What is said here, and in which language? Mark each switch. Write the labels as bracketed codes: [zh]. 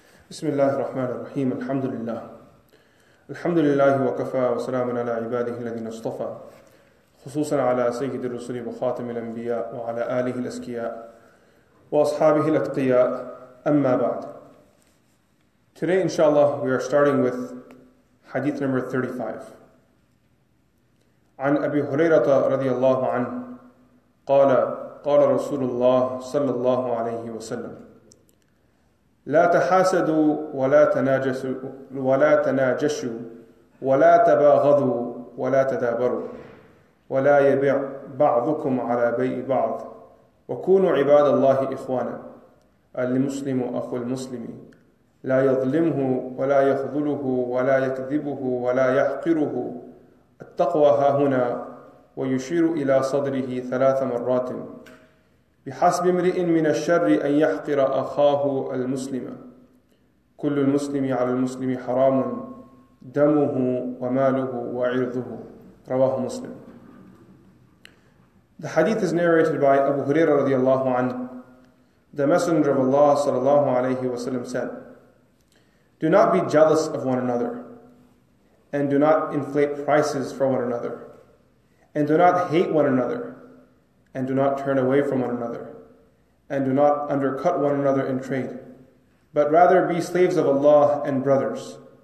[ar] بسم الله الرحمن الرحيم الحمد لله الحمد لله وكفى وسلام على عباده الذين اصطفى خصوصا على سيد الرسل وخاتم الأنبياء وعلى آله الأسكياء وأصحابه الأتقياء أما بعد. [en] Today inshallah we are starting with hadith number 35. [ar] عن أبي هريرة رضي الله عنه قال قال رسول الله صلى الله عليه وسلم لا تحاسدوا ولا تناجسوا ولا تناجشوا ولا تباغضوا ولا تدابروا ولا يبع بعضكم على بيع بعض وكونوا عباد الله إخوانا المسلم أخو المسلم لا يظلمه ولا يخذله ولا يكذبه ولا يحقره التقوى هاهنا ويشير إلى صدره ثلاث مرات بحسب امرئ من الشر أن يحقر أخاه المسلم كل المسلم على المسلم حرام دمه وماله وعرضه رواه مسلم. [en] The hadith is narrated by Abu Hurayrah radiallahu anhu. The Messenger of Allah sallallahu alayhi wa sallam said, do not be jealous of one another, and do not inflate prices for one another, and do not hate one another, and do not turn away from one another, and do not undercut one another in trade, but rather be slaves of Allah and brothers.